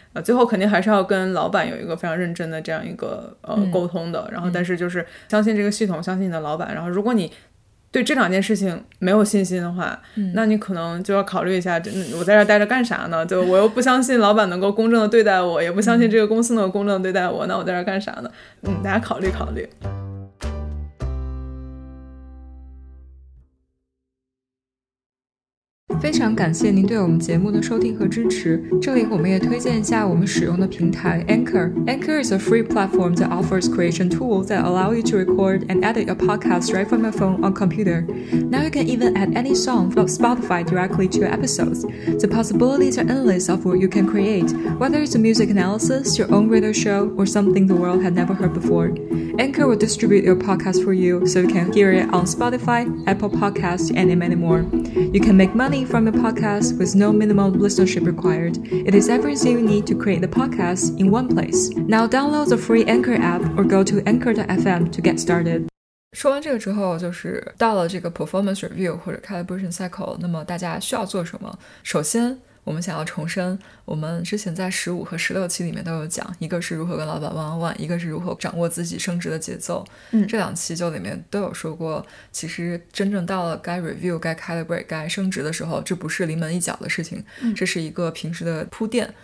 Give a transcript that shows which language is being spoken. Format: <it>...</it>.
<zh>最后肯定还是要跟老板有一个非常认真的这样一个沟通的，然后但是就是相信这个系统，相信你的老板，然后如果你对这两件事情没有信心的话，那你可能就要考虑一下，我在这待着干啥呢，就我又不相信老板能够公正的对待我，也不相信这个公司能够公正的对待我，那我在这干啥呢。大家考虑考虑。非常感谢您对我们节目的收听和支持，这里我们也推荐一下我们使用的平台 Anchor。</zh> <en>Anchor is a free platform that offers creation tool that allow you to record and edit your podcast right from your phone or computer. Now you can even add any song from Spotify directly to your episodes. The possibilities are endless of what you can create, whether it's a music analysis, your own radio show, or something the world had never heard before. Anchor will distribute your podcast for you so you can hear it on Spotify, Apple Podcasts, and many more. You can make money from the podcast with no minimum listenership required. It is everything you need to create the podcast in one place. Now download the free Anchor app or go to anchor.fm to get started.</en> <zh>说完这个之后，就是到了这个 performance review 或者 calibration cycle， 那么大家需要做什么？首先我们想要重申，我们之前在15和16期里面都有讲，一个是如何跟老板 one-on-one， 一个是如何掌握自己升职的节奏。这两期就里面都有说过，其实真正到了该 review、该 calibrate、该升职的时候，这不是临门一脚的事情，这是一个平时的铺垫。</zh>